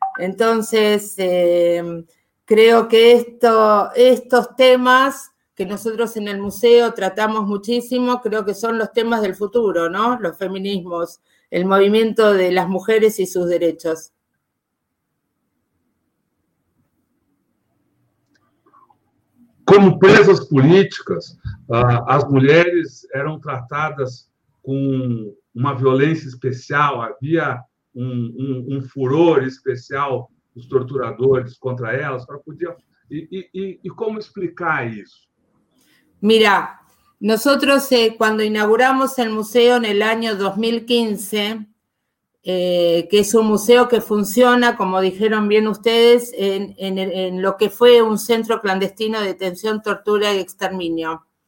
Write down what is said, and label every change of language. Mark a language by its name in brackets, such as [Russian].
[Spanish] Entonces, creo que estos temas que nosotros en el museo tratamos muchísimo, creo que son los temas del futuro, ¿no? Los feminismos, el movimiento de las mujeres y sus derechos. [Portuguese] Como presas políticas, as mulheres eram tratadas com uma violência especial, havia um furor especial dos torturadores contra elas, para poder... E como explicar isso? [Spanish] Mira, nosotros, [Portuguese] quando inauguramos o museu no ano 2015, que é um museu que funciona, [Spanish] como dijeron bien ustedes, en lo que fue un centro clandestino de detención, tortura y exterminio.